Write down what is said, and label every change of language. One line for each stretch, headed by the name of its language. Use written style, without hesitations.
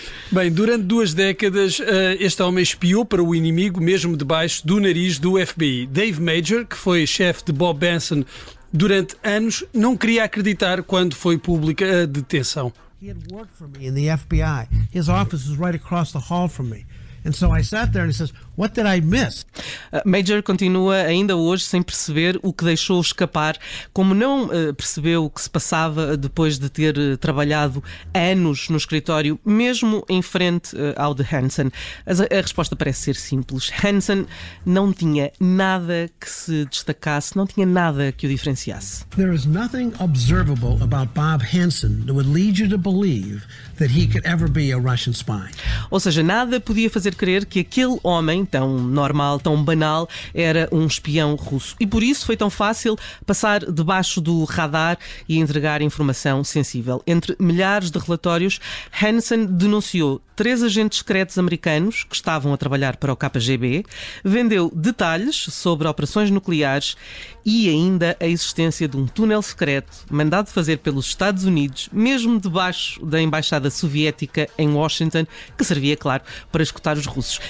Portuguese: Bem, durante 2 décadas, este homem espiou para o inimigo, mesmo debaixo do nariz do FBI. Dave Major, que foi chefe de Bob Benson durante anos, não queria acreditar quando foi pública a detenção. Ele trabalhava para mim no FBI. Seu escritório estava
English: right across the hall from me. And so I sat there and he says, "What did I miss?"
Portuguese: Major continua ainda hoje sem perceber o que deixou escapar, como não percebeu o que se passava depois de ter trabalhado anos no escritório, mesmo em frente ao de Hansen. A resposta parece ser simples. Hansen não tinha nada que se destacasse, não tinha nada que o diferenciasse.
English: There is nothing observable about Bob Hansen that would lead you to believe that he could ever be a Russian spy.
Portuguese: Ou seja, nada podia fazer crer que aquele homem, tão normal, tão banal, era um espião russo. E por isso foi tão fácil passar debaixo do radar e entregar informação sensível. Entre milhares de relatórios, Hansen denunciou 3 agentes secretos americanos que estavam a trabalhar para o KGB, vendeu detalhes sobre operações nucleares e ainda a existência de um túnel secreto mandado fazer pelos Estados Unidos, mesmo debaixo da embaixada soviética em Washington, que servia, claro, para escutar os russos.